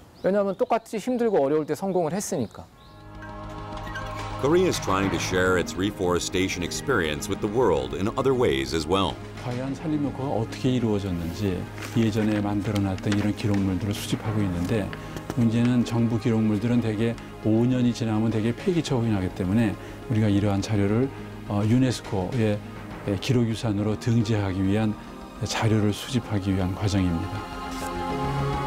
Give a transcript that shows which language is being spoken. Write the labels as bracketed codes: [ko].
[ko] 왜냐하면 똑같이 힘들고 어려울 때 성공을 했으니까. [en] Korea is trying to share its reforestation experience with the world in other ways as well. [ko] 과연 산림 녹화가 어떻게 이루어졌는지 예전에 만들어놨던 이런 기록물들을 수집하고 있는데 문제는 정부 기록물들은 대개 5년이 지나면 대개 폐기 처분하기 때문에 우리가 이러한 자료를 유네스코의 기록유산으로 등재하기 위한 자료를 수집하기 위한 과정입니다.